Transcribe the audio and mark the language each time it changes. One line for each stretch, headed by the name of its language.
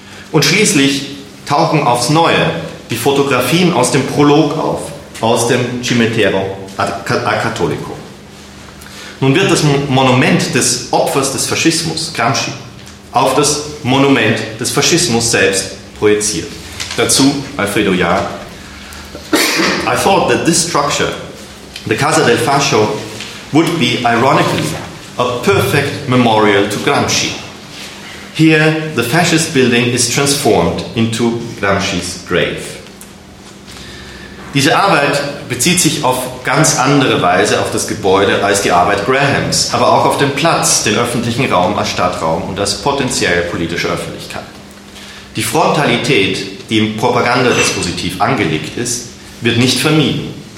German: Und schließlich tauchen aufs Neue die Fotografien aus dem Prolog auf, aus dem Cimitero Acattolico. Nun wird das Monument des Opfers des Faschismus, Gramsci, auf das Monument des Faschismus selbst projiziert. Dazu
English: Alfredo Jahr: I thought that this structure, the Casa del Fascio, would be ironically a perfect memorial to Gramsci. Here, the fascist building is transformed into Gramsci's grave.
German: Diese Arbeit bezieht sich auf ganz andere Weise auf das Gebäude als die Arbeit Grahams, aber auch auf den Platz, den öffentlichen Raum als Stadtraum und als potenziell politische Öffentlichkeit. Die Frontalität, die im Propagandadispositiv angelegt ist, wird nicht vermieden.